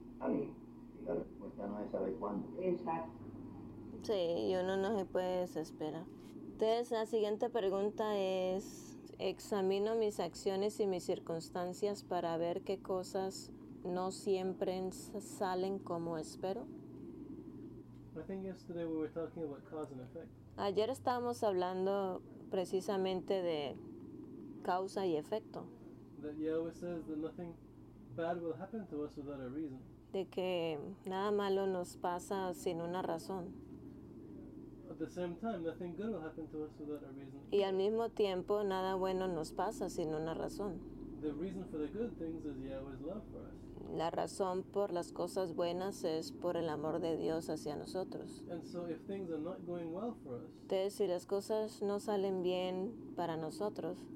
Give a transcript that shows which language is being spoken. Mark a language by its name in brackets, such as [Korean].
[Spanish] Y la respuesta no es saber cuándo. Exacto. Sí, y uno no se puede desesperar. Entonces, la siguiente pregunta es, ¿examino mis acciones y mis circunstancias para ver qué cosas no siempre salen como espero? [English] I think yesterday we were talking about cause and effect. [Spanish] Ayer estábamos hablando precisamente de causa y efecto. [English] That Yahweh says that nothing bad will happen to us without a reason. [Spanish] De que nada malo nos pasa sin una razón. [English] At the same time, nothing good will happen to us without a reason. [Spanish] Y al mismo tiempo, nada bueno nos pasa sin una razón. [English] The reason for the good things is Yahweh's love for us. [Spanish] La razón por las cosas buenas es por el amor de Dios hacia nosotros. [English] And so if things are not going well for us, [Spanish] entonces, si las cosas no salen bien para nosotros,